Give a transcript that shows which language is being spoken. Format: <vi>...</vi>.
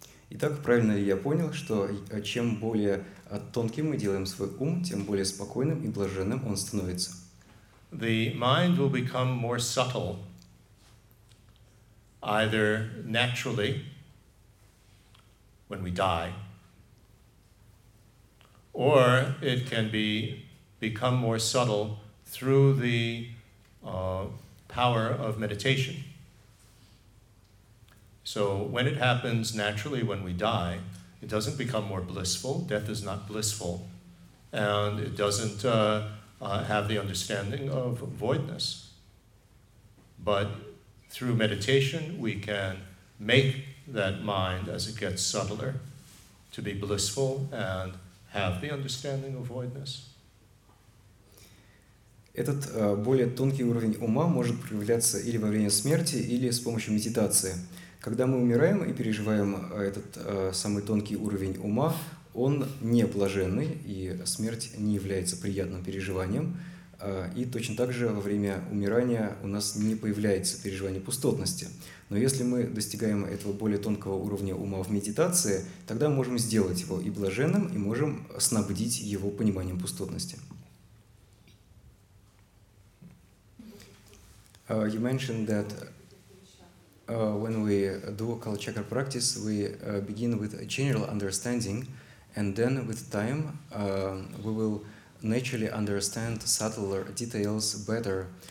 <ru>Итак, правильно ли я понял, что чем более тонким мы делаем свой ум, тем более спокойным и блаженным он становится?</ru> <en>The mind will become more subtle. Either naturally, when we die, or it can become more subtle through the power of meditation. So when it happens naturally when we die, it doesn't become more blissful. Death is not blissful. And it doesn't have the understanding of voidness. But through meditation, we can make that mind, as it gets subtler, to be blissful and have the understanding of voidness.</en> <ru>Этот более тонкий уровень ума может проявляться или во время смерти, или с помощью медитации. Когда мы умираем и переживаем этот самый тонкий уровень ума, он не блаженный, и смерть не является приятным переживанием. И точно так же во время умирания у нас не появляется переживание пустотности. Но если мы достигаем этого более тонкого уровня ума в медитации, тогда мы можем сделать его и блаженным, и можем снабдить его пониманием пустотности.</ru> <en>You mentioned that when we do a kala chakra practice, we begin with a general understanding, and then with time we will naturally understand subtler details better.</en>